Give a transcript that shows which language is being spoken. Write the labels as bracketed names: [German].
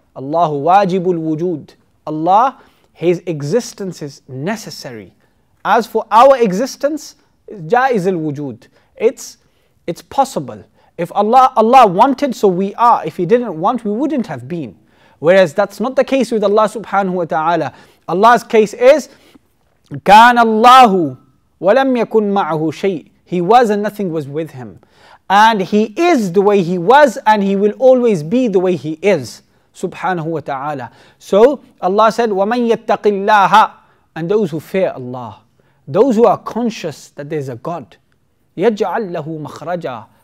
[Arabic] Allahu wajibul wujud. [English] Allah, His existence is necessary. As for our existence, [Arabic] jaiz al wujud. [English] It's possible. If Allah wanted, so we are. If He didn't want, we wouldn't have been. Whereas that's not the case with Allah subhanahu wa ta'ala. Allah's case is, [Arabic] كان الله ولم يكن معه شيء. [English] He was and nothing was with Him. And He is the way He was, and He will always be the way He is, subhanahu wa ta'ala. So Allah said, [Arabic] وَمَنْ يَتَّقِ اللَّهَ. [English] And those who fear Allah, those who are conscious that there's a God, [Arabic] يَجْعَلْ لَهُ مَخْرَجًا.